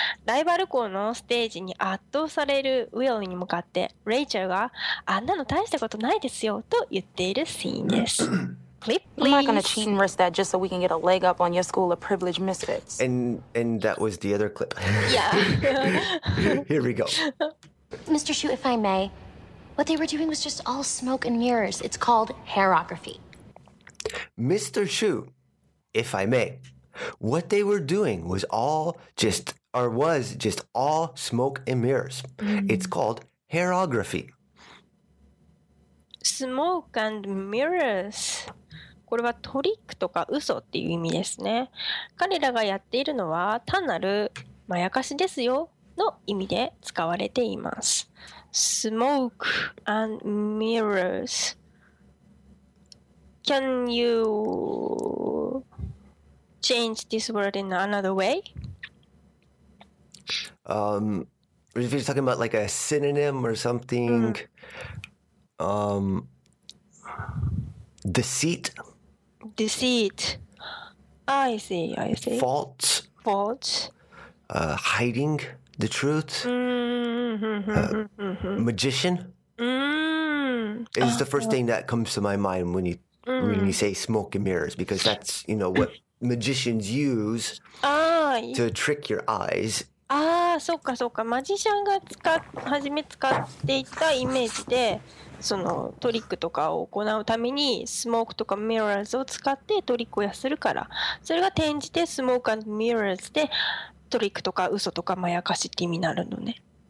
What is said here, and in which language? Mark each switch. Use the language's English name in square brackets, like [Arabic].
[Japanese] ライバル校のステージに圧倒されるウィルに向かってレイチェルがあんなの大したことないですよと言っているシーンです。 [English] Clip, please. I'm not going to cheat and risk that just so we can get a leg up on your school of privileged misfits. And that was the other clip. Yeah. Here we go. Mr. Shu, if I may... What they were doing was just all smoke and mirrors. It's called hairography. Mr. Shu, if I may, what they were doing was all just, or was just all smoke and mirrors. It's called hairography. Smoke and mirrors. [Japanese] これはトリックとか嘘っていう意味ですね。彼らがやっているのは単なるまやかしですよの意味で使われています。 [English] Smoke and mirrors. Can you change this word in another way? If you're talking about like a synonym or something, deceit. Deceit. I see, I see. False. False. Hiding the truth. Magician is the first thing that comes to my mind when you when you say smoke and mirrors because that's you know what magicians use to trick your eyes. [Japanese] Ah, そうかそうか。マジシャンが初め使っていたイメージで、そのトリックとかを行うためにスモークとかミラーズを使ってトリックをするから、それが転じてスモークアンドミラーズでトリックとか嘘とかまやかしって意味になるのね。